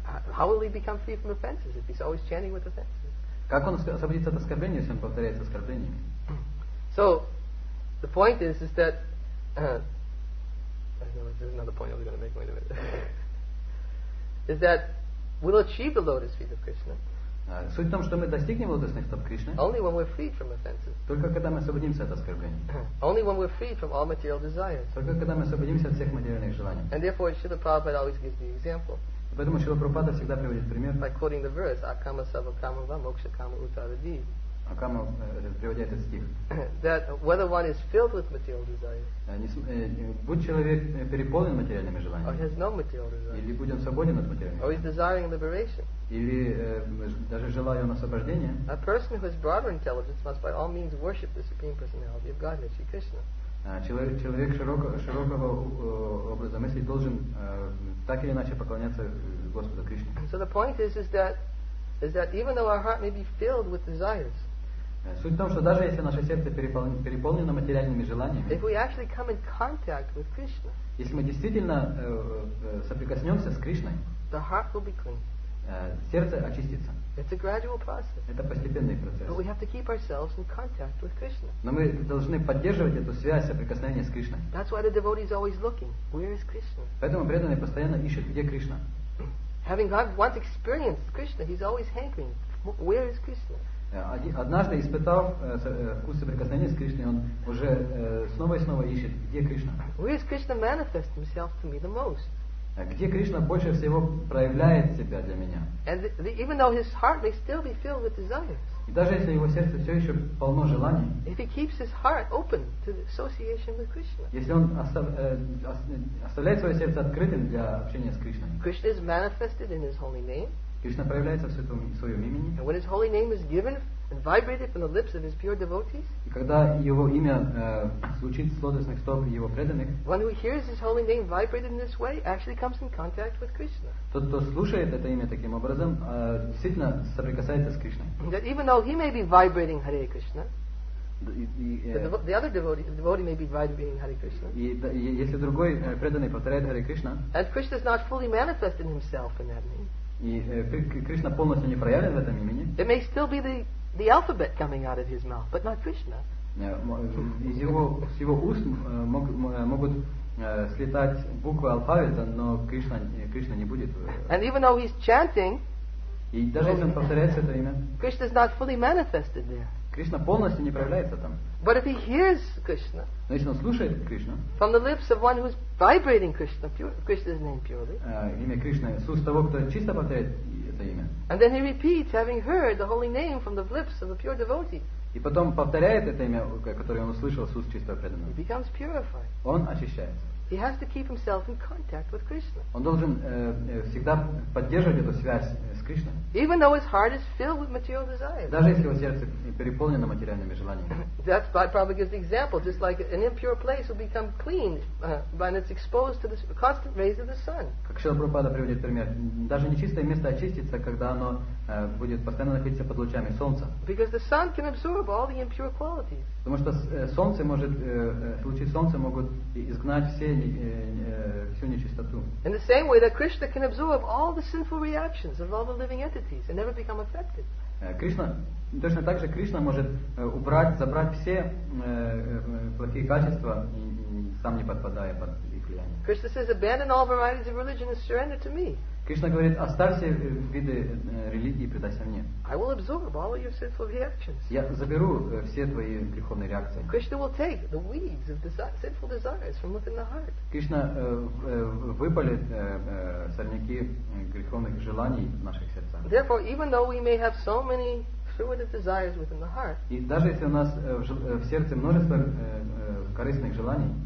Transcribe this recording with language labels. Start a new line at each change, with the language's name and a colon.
English: How will he become free from offenses if he's always chanting with offenses?
Russian: Как он освободится от оскорбления, если он повторяет оскорбления?
English: So the point is that there's another point I was going to make. Wait a minute. Is that we'll achieve the lotus feet of Krishna?
Russian: Суть в том, что мы достигнем лотосных стоп Кришны.
English: Only when we're free from offenses.
Russian: Только когда мы освободимся от оскорблений.
English: Only when we're free from all material desires.
Russian: Только когда мы освободимся от всех материальных желаний.
English: And therefore, Śrīla Prabhupāda always gives the example.
Russian: Поэтому Śrīla Prabhupāda всегда приводит пример.
English: By quoting the verse,
Sanskrit: Akama sava kama va moksha kama utaradi.
Russian: Акама приводит этот стих.
English: That whether one is filled with material desires.
Russian: Будь человек переполнен материальными желаниями.
English: Or has no material desires.
Russian: Или будь он свободен от материальных.
English: Or is desiring liberation.
Russian: Или даже желая он освобождения.
English: A person who has broader intelligence must by all means worship the supreme personality of Godhead, Sri Krishna.
Russian: Человек широкого образа мысли должен так или иначе поклоняться Господу Кришне.
English: So the point is that is that even though our heart may be filled with desires,
Russian: суть в том, что даже если наше сердце переполнено материальными желаниями,
English: if we actually come in contact with Krishna,
Russian: если мы действительно соприкоснемся с Кришной,
English: the heart will be clean.
Russian: Сердце очистится.
English: It's a gradual process.
Russian: Это постепенный процесс.
English: But we have to keep ourselves in contact with Krishna.
Russian: Но мы должны поддерживать эту связь, соприкосновение с Кришной.
English: That's why the devotee is always looking. Where is Krishna?
Russian: Поэтому преданный постоянно ищет, где Кришна.
English: Having once experienced Krishna, he's always hankering. Where is Krishna?
Russian: Однажды испытав вкус соприкосновения с Кришной, он уже снова и снова ищет, где Кришна.
English: Where is Krishna manifest himself to me the most?
Russian: Где Кришна больше всего проявляет себя для меня? И даже если его сердце все еще полно желаний, если он оставляет свое сердце открытым для общения с Кришной,
English: Krishna is manifested in his holy name.
Russian: Кришна проявляется в своем имени.
English: And when his holy name is given and vibrated from the lips of his pure devotees,
Russian: и когда его имя звучит с лотосных стоп его преданных,
English: one who hears his holy name vibrated in this way actually comes in contact with Krishna.
Russian: Тот, кто слушает это имя таким образом, действительно соприкасается с Кришной.
English: And that even though he may be vibrating Hare Krishna, the other devotee may be vibrating Hare Krishna.
Russian: Если другой преданный повторяет Hare Krishna,
English: and Krishna is not fully manifested himself in that name,
Russian: и Кришна полностью не проявлен в этом имени,
English: it may still be the alphabet coming out of his mouth, but not Krishna.
Russian: Из его уст могут слетать буквы алфавита, но Кришна не будет.
English: And even though he's chanting,
Russian: и даже если он повторяет это имя,
English: Krishna is not fully manifested there.
Russian: Кришна полностью не проявляется там.
English: But if he hears Krishna,
Russian: но если он слушает Кришну,
English: from the lips of one who's vibrating Krishna, Krishna's name purely,
Russian: имя Кришны, с уст того, кто чисто повторяет это имя,
English: and then he repeats, having heard the holy name from the lips of a pure devotee,
Russian: и потом повторяет это имя, которое он услышал с уст чистого преданного,
English: he becomes purified.
Russian: Он очищается.
English: He has to keep himself in contact with Krishna.
Russian: Он должен всегда поддерживать эту связь с Кришной.
English: Even though his heart is filled with material desires.
Russian: Даже если его сердце переполнено материальными желаниями.
English: That's probably gives the example, just like an impure place will become clean when it's exposed to the constant rays of the sun.
Russian: Как Шрила Прабхупада приводит пример, даже нечистое место очистится, когда оно будет постоянно находиться под лучами солнца.
English: Because the sun can absorb all the impure qualities.
Russian: Потому что солнце может, лучи солнца могут изгнать всю нечистоту.
English: In the same way that Krishna can absorb all the sinful reactions of all the living entities and never become affected.
Russian: Кришна, точно так же Кришна может забрать все плохие качества, сам не подпадая под их влияние.
English: Krishna says, abandon all varieties of religion and surrender to me.
Russian: Кришна говорит, оставь все виды религии и предайся мне.
English: I will absorb all your sinful reactions.
Russian: Я заберу все твои греховные реакции.
English: Krishna will take the weeds of sinful desires from within the heart.
Russian: Кришна выпалит сорняки греховных желаний в наших сердцах.
English: Therefore, even though we may have so many fruitive desires within the heart,
Russian: и даже если у нас в сердце множество корыстных желаний,